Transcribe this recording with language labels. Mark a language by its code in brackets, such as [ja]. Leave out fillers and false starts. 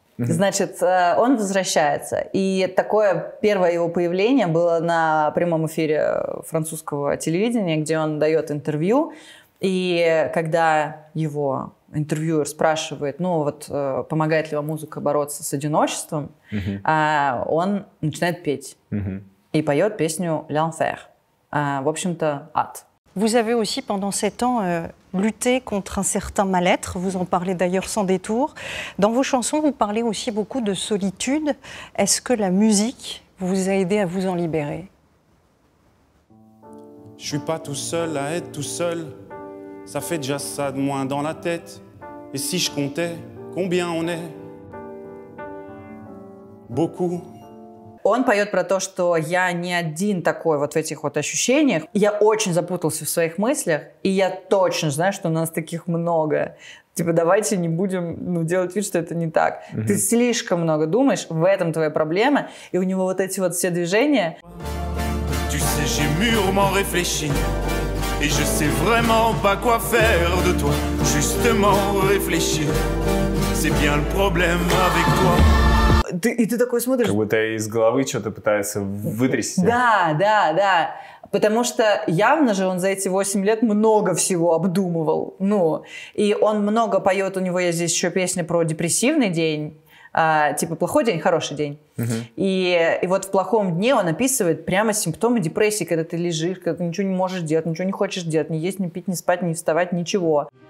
[ru] Значит, он возвращается. И такое первое его появление было на прямом эфире французского телевидения, где он дает интервью. И когда его интервьюер спрашивает, ну вот, помогает ли вам музыка бороться с одиночеством, он начинает петь. И поет песню «L'enfer». В общем-то, ад. [fr] Vous avez aussi pendant 7 ans lutté contre un certain mal-être, vous en parlez d'ailleurs sans détour. Dans vos chansons, vous parlez aussi beaucoup de solitude. Est-ce que la musique vous a aidé à vous en libérer? Je suis pas tout seul à être tout seul. Ça fait déjà ça de moins dans la tête. Et si je comptais combien on est? Beaucoup. [ru] Он поет про то, что я не один такой вот в этих вот ощущениях. Я очень запутался в своих мыслях, и я точно знаю, что у нас таких много. Типа, давайте не будем делать вид, что это не так. Ты слишком много думаешь, в этом твоя проблема. И у него вот эти вот все движения. [fr] Tu sais, j'ai mûrement réfléchi, et je sais vraiment pas quoi faire de toi. Justement réfléchir, c'est bien le problème avec toi. [ru] И ты такой смотришь... Как будто из головы что-то пытается вытрясти. Да, да, да. Потому что явно же он за эти 8 лет много всего обдумывал. Ну, и он много поет, у него есть здесь еще песня про депрессивный день. Типа плохой день, хороший день. И вот в плохом дне он описывает прямо симптомы депрессии, когда ты лежишь, когда ты ничего не можешь делать, ничего не хочешь делать, ни есть, ни пить, ни спать, ни вставать, ничего.